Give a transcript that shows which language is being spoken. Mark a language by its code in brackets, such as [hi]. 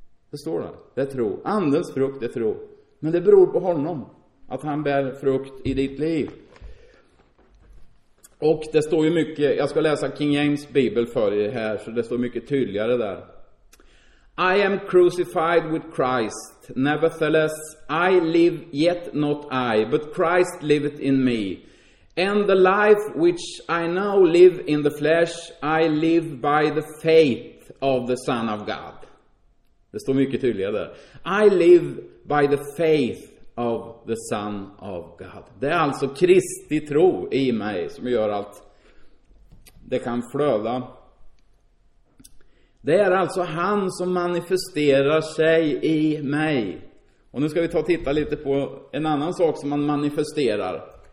[sv] Det står där, det är tro. Andens frukt är tro. Men det beror på honom att han bär frukt i ditt liv. Och det står ju mycket, jag ska läsa King James Bibel för er här, så det står mycket tydligare där: [en] I am crucified with Christ. Nevertheless, I live, yet not I, but Christ liveth in me. And the life which I now live in the flesh, I live by the faith of the Son of God. [sv] Det står mycket tydligare där. [en] I live by the faith of the Son of God. [sv] Det är alltså Kristi tro i mig som gör att det kan flöda. Det är alltså han som manifesterar sig i mig. Och nu ska vi ta och titta lite på en annan sak som man manifesterar.